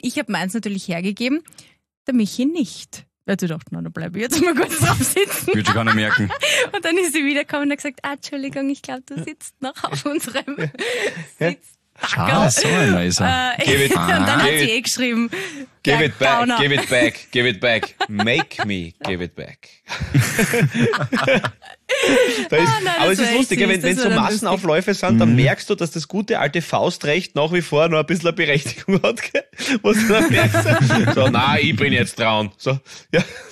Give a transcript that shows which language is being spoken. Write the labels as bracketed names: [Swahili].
[German] Ich habe meins natürlich hergegeben, der Michi nicht. Er hat gedacht, nein, da bleibe ich jetzt mal kurz drauf sitzen. Würde ich gar nicht merken. Und dann ist sie wiedergekommen und hat gesagt, Entschuldigung, ich glaube, du sitzt noch auf unserem Sitzdackerl. Ah, so ein Leiser. Und dann hat sie geschrieben, [English] give it back, give it back, give it back. Make me give it back. [German] aber es ist lustig, wenn so Massenaufläufe sind, dann merkst du, dass das gute alte Faustrecht nach wie vor noch ein bisschen eine Berechtigung hat. Was dann merkst du? So, ich bin jetzt dran. So, ja.